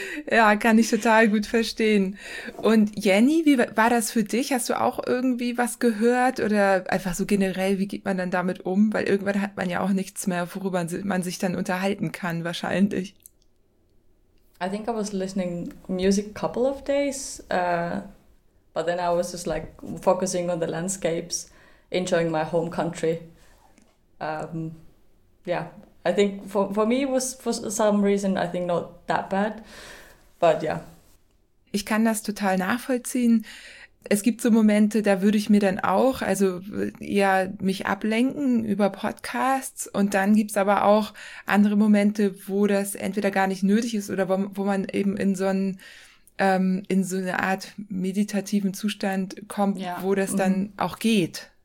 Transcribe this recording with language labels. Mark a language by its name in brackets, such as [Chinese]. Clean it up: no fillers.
[German] Ja, kann ich total gut verstehen. Und Jenny, wie war das für dich? Hast du auch irgendwie was gehört oder einfach so generell, wie geht man dann damit um? Weil irgendwann hat man ja auch nichts mehr, worüber man sich dann unterhalten kann wahrscheinlich. [English] I think I was listening music a couple of days, but then I was just like focusing on the landscapes, enjoying my home country. I think for me it was for some reason I think not that bad, but yeah. [German] Ich kann das total nachvollziehen. Es gibt so Momente, da würde ich mir dann auch, also eher mich ablenken über Podcasts und dann gibt's aber auch andere Momente, wo das entweder gar nicht nötig ist oder wo man eben in so einen in so eine Art meditativen Zustand kommt, wo das dann auch geht.